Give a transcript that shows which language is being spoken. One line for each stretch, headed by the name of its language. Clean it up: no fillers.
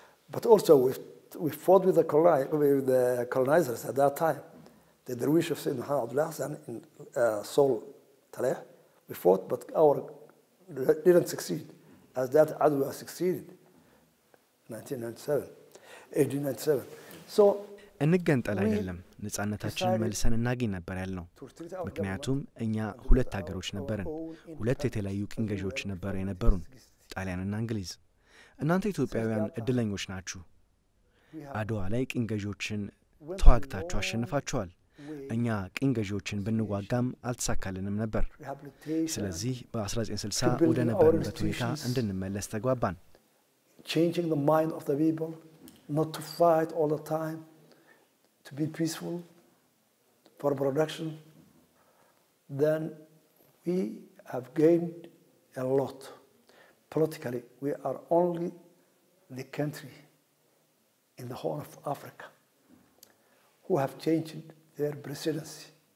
English: But also we fought with the colonizers at that time. The Dervish of Sayyid Muhammad Al-Hassan in Sol Talia. We fought, but our didn't succeed as that Adwa succeeded in 1897.
Amharic: እንገንጠል አይደለም ንጻነታችን መልሰን እናገኝ ነበር ያለው። ምክንያቱም እኛ ሁለት ሀገሮች ነበርን። ሁለት የተለያዩ ቅኝ ገዢዎች ነበር የነበሩን፣ ጣሊያንና እንግሊዝ። እናንተ ኢትዮጵያውያን እድለኞች ናችሁ። አድዋ ላይ ቅኝ ገዢዎችን ተዋግታችሁ አሸንፋችኋል። እኛ ቅኝ ገዢዎችን ብንዋጋም አልተሳካልንም ነበር። ስለዚህ በ1960 ወደ ነበርንበት ሁኔታ እንድንመለስ ተግባባን።
English: Changing the mind of the people not to fight all the time. To be peaceful for production, then we have gained a lot. Politically, we are only the country in the Horn of Africa who have changed their presidency.